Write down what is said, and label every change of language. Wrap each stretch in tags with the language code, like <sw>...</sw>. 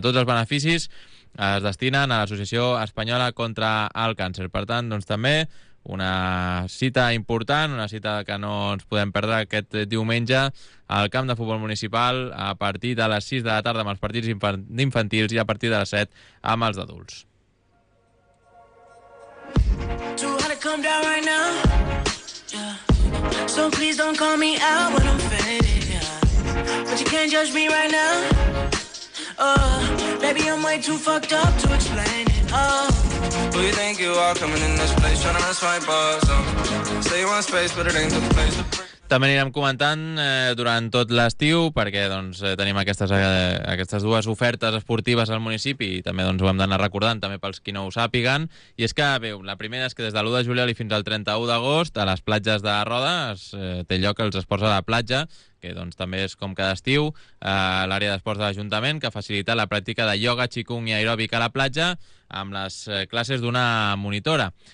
<ca>Tots els beneficis es destinen a l'Associació Espanyola contra el Càncer. Per tant, doncs també una cita important, una cita que no ens podem perdre aquest diumenge al camp de futbol municipal a partir de les 6 de la tarda amb els partits infantils i a partir de les 7 amb els adults.</ca> <en>Come down right now, yeah. So please don't call me out when I'm faded, yeah. But you can't judge me right now. Maybe I'm way too fucked up to explain it. Who you think you are coming in this place trying to mess my buzz up? Say you want space, but it ain't the place to...</en> <ca>També anirem comentant durant tot l'estiu perquè doncs, tenim aquestes dues ofertes esportives al municipi i també doncs, ho hem d'anar recordant també pels qui no ho sàpiguen. I és que, bé, la primera és que des de l'1 de juliol i fins al 31 d'agost a les platges de Roda té lloc els esports a la platja, que doncs, també és com cada estiu, l'àrea d'esports de l'Ajuntament, que facilita la pràctica de ioga, qigong i aeròbic a la platja amb les classes d'una monitora.</ca>